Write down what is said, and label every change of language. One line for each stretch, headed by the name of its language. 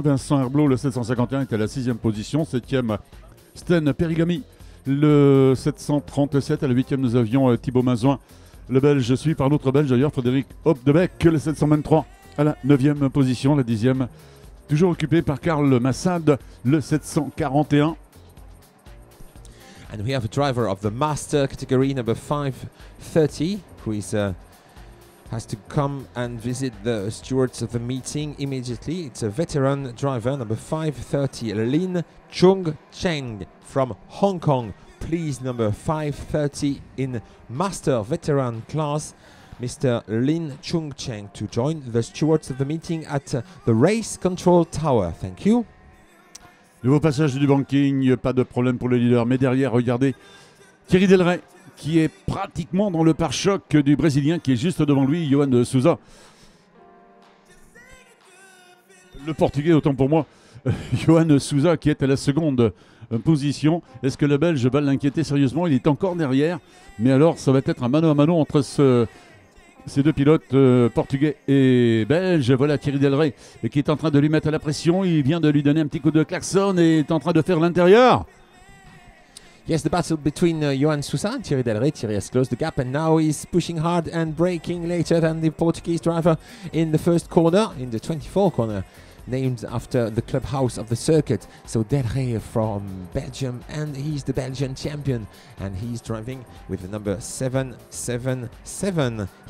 French: Vincent Herblot, le 751, est à la 6e position. 7e, Sten Perigami, le 737. À la 8e, nous avions Thibaut Mazouin, le Belge, suivi par l'autre Belge d'ailleurs, Frédéric Hopdebeck, le 723. À la 9e position, la 10e, toujours occupée par Karl Massad, le 741.
English: And we have a driver of the master category, number 530, who is... has to come and visit the stewards of the meeting immediately. It's a veteran driver, number 530, Lin Chung Cheng from Hong Kong. Please, number 530 in master veteran class, Mr. Lin Chung Cheng, to join the stewards of the meeting at the race control tower. Thank you.
French: Nouveau passage du banking, pas de problème pour le leader. Mais derrière, regardez, Thierry Del Rey, qui est pratiquement dans le pare-choc du Brésilien, qui est juste devant lui, Johan Souza. Le Portugais, autant pour moi, Johan Souza, qui est à la seconde position. Est-ce que le Belge va l'inquiéter sérieusement? Il est encore derrière, mais alors ça va être un mano à mano entre ces deux pilotes portugais et belge. Voilà Thierry Del Rey, qui est en train de lui mettre la pression. Il vient de lui donner un petit coup de klaxon et est en train de faire l'intérieur.
English: Yes, the battle between Johan Souza and Thierry Del Rey. Thierry has closed the gap and now he's pushing hard and braking later than the Portuguese driver in the first corner, in the 24 corner, named after the clubhouse of the circuit. So Del Rey from Belgium, and he's the Belgian champion, and he's driving with the number 777.